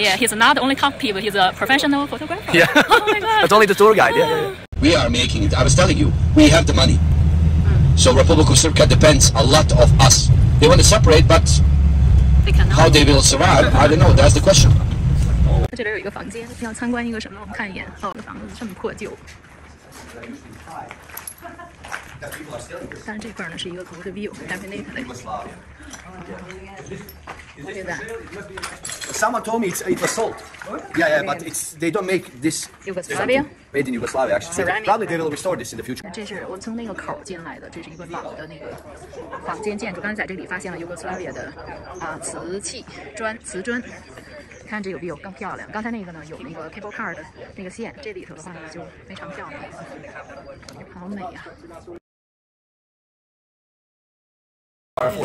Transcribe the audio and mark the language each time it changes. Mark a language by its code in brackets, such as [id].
[en] Yeah, he's not only talkative, he's a professional photographer. Yeah. Oh my God. That's only the tour guide. Yeah, yeah, yeah. We are making it. I was telling you, we have the money. So Republic of Srpska depends a lot of us. They want to separate, but how they will survive, I don't know. That's the question. [zh] 这里有一个房间，要参观一个什么？我们看一眼。哦，这房子这么破旧。但是这块呢是一个 [en] good view， [zh] 但是那块的。 [en] Yeah. Someone told me it was salt. Yeah, yeah, but it's they don't make this. Yugoslavia. Made in Yugoslavia, actually. Ceramic. Probably they will restore this in the future. [zh] 这是我从那个口进来的，这是一个老的那个房间建筑。刚才在这里发现了 Yugoslavia 的瓷砖。看这个 view 更漂亮。刚才那个呢，有那个 cable car 的那个线，这里头的话呢就非常漂亮，好美呀、啊。